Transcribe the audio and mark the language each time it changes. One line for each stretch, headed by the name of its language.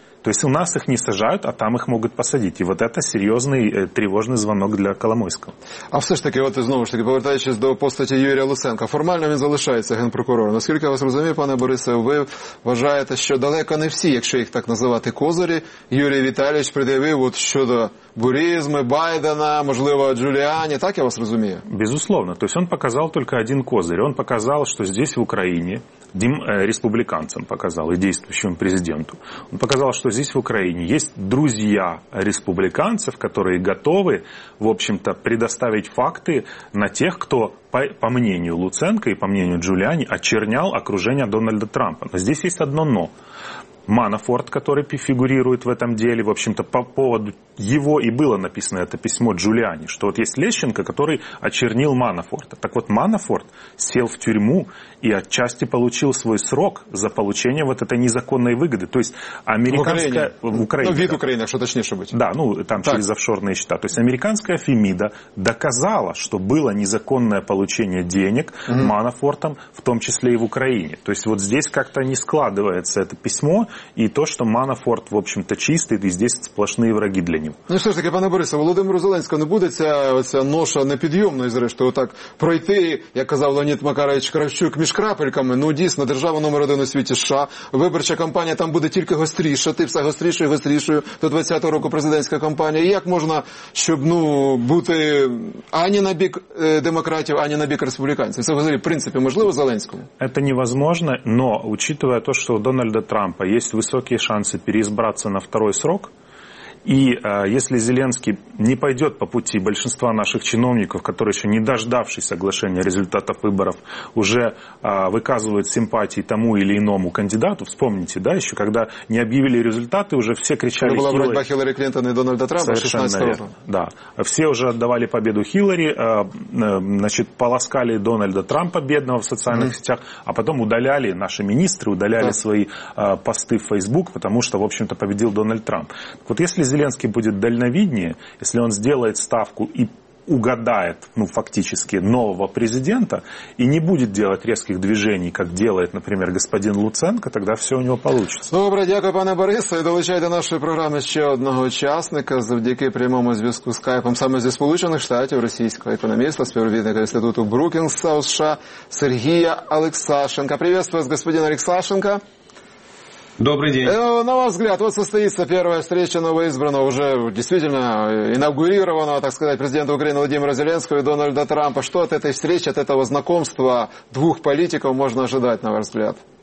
Russian: То есть у нас их не сажают, а там их могут посадить. И вот это серьезный тревожный звонок для Коломойского.
Ukrainian: А все ж таки, от знову ж таки, повертаючись до постаті Юрія Луценка, формально він залишається генпрокурором. Наскільки я вас розумію, пане Борисе, ви вважаєте, що далеко не всі, якщо їх так називати, козирі, Юрій Віталійович пред'явив от щодо Бурізми, Байдена, можливо, Джуліані. Так я вас розумію?
Russian: Безусловно. То есть он показал только один козырь. Он показал, что здесь, в Украине, республиканцам показал и действующему президенту. Он показал, что здесь, в Украине, есть друзья республиканцев, которые готовы, в общем-то, предоставить факты на тех, кто, по мнению Луценко и по мнению Джуліані, очернял окружение Дональда Трампа. Но здесь есть одно «но». Манафорт, который фигурирует в этом деле, в общем-то, по поводу его и было написано это письмо Джуліані, что вот есть Лещенко, который очернил Манафорта. Так вот, Манафорт сел в тюрьму и отчасти получил свой срок за получение вот этой незаконной выгоды. То есть, американская... В Украине. Ну, вид Украины, что точнее, чтобы быть. Да, ну, там так, через офшорные счета. То есть, американская Фемида доказала, что было незаконное получение получения денег Манафортом, в том числе и в Украине. То есть вот здесь как-то не складывается это письмо и то, что Манафорт, в общем-то, чистый, и здесь сплошные враги для него.
Ukrainian: Ну что ж таки, пане Борисе, Володимиру Зеленського не буде ця ноша непідйомна, зрештою, так пройти, як казав Леонід Макарович Кравчук, між крапельками. Ну дійсно, держава номер один у світі США, виборча кампанія там буде тільки гостріша, ти все гострішою і гострішою, до 20-го року президентська кампанія. І як можна, щоб ну бути ані на бік демократів, ані на бік республіканців? Це взагалі, в принципі, можливо Зеленському?
Russian: Це невозможно, но учитывая то, что у Дональда Трампа есть высокие шансы переизбраться на второй срок, и если Зеленский не пойдет по пути большинства наших чиновников, которые еще не дождавшись соглашения результатов выборов, уже выказывают симпатии тому или иному кандидату, вспомните, да, еще когда не объявили результаты, уже все кричали Хиллари. Это была борьба Хиллари Клинтон и Дональда Трампа 16-го года. Да. Все уже отдавали победу Хиллари, значит, полоскали Дональда Трампа бедного в социальных сетях, а потом удаляли наши министры, удаляли свои посты в Facebook, потому что, в общем-то, победил Дональд Трамп. Так вот, если Зеленский будет дальновиднее, если он сделает ставку и угадает, ну, фактически, нового президента и не будет делать резких движений, как делает, например, господин Луценко, тогда все у него получится.
Ukrainian: Добре, дякую, пане Борисе. Долучай до нашої програми ще одного учасника завдяки прямому зв'язку скайпом саме зі Сполучених Штатів, російського економіста, співробітника Інституту Брукінгса у США Сергія Алексашенка.
Russian: Приветствую вас, господин Алексашенко. Добрый день. На ваш взгляд, вот состоится первая встреча новоизбранного, уже действительно инаугурированного, так сказать, президента Украины Владимира Зеленского и Дональда Трампа. Что от этой встречи, от этого знакомства двух политиков можно ожидать, на ваш взгляд?